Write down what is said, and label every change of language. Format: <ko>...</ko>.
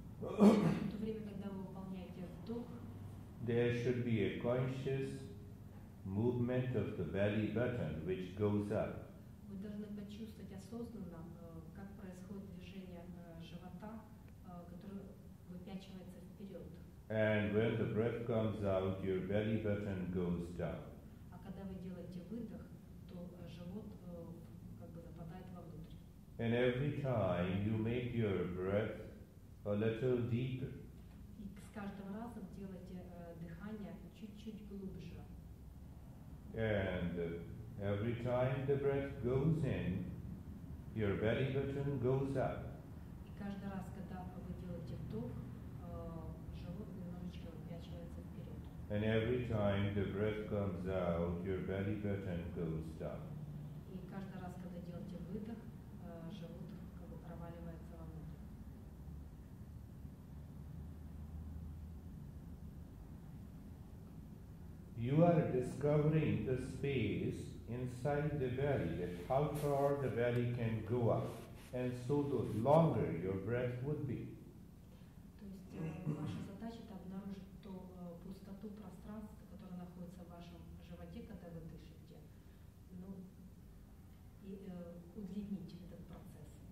<ru>то время, когда вы выполняете вдох,</ru> <en>there should be a conscious movement of the belly button which goes up.</en> <ru>Вы должны почувствовать осознанно, как происходит движение живота, которое выпячивается вперед.</ru> <en>And when the breath comes out, your belly button goes down.</en> <ru>А когда вы делаете выдох, то живот как бы западает вовнутрь.</ru> <en>And every time you make your breath a little deeper.</en> <ru>И с каждым разом делайте дыхание чуть-чуть глубже.</ru> <en>And every time the breath goes in, your belly button goes up.</en> <ru>И каждый раз, когда вы делаете вдох, живот немножечко выпячивается вперед.</ru> <en>And every time the breath comes out, your belly button goes down.</en> <ru>И каждый раз, когда делаете выдох, живот как бы проваливается вовнутрь.</ru> <en>You are discovering the space inside the belly, that how far the belly can go up, and so the longer your breath would be.</en> <ru>То есть ваша задача это обнаружить ту пустоту пространства, которая находится в вашем животе, когда вы дышите, и удлинить этот процесс.</ru>